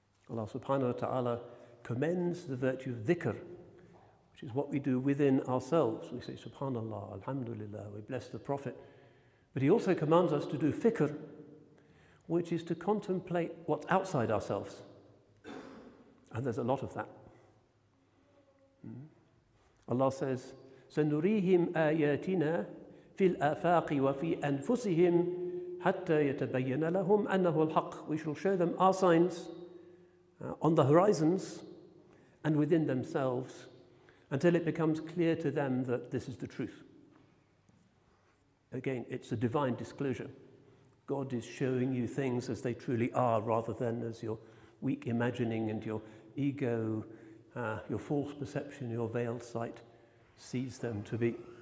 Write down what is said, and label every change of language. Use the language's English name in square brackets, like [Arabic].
[English] Allah subhanahu wa ta'ala commends the virtue of dhikr, which is what we do within ourselves. We say subhanallah, alhamdulillah, we bless the Prophet. But he also commands us to do fikr, which is to contemplate what's outside ourselves. And there's a lot of that. [Arabic] Allah says, سَنُرِيهِمْ آيَاتِنَا فِي الْآفَاقِ وَفِي أَنفُسِهِمْ حَتَّى يَتَبَيَّنَ لَهُمْ أَنَّهُ الْحَقِّ. [English] We shall show them our signs on the horizons and within themselves until it becomes clear to them that this is the truth. Again, it's a divine disclosure. God is showing you things as they truly are, rather than as your weak imagining and your ego, your false perception, your veiled sight sees them to be.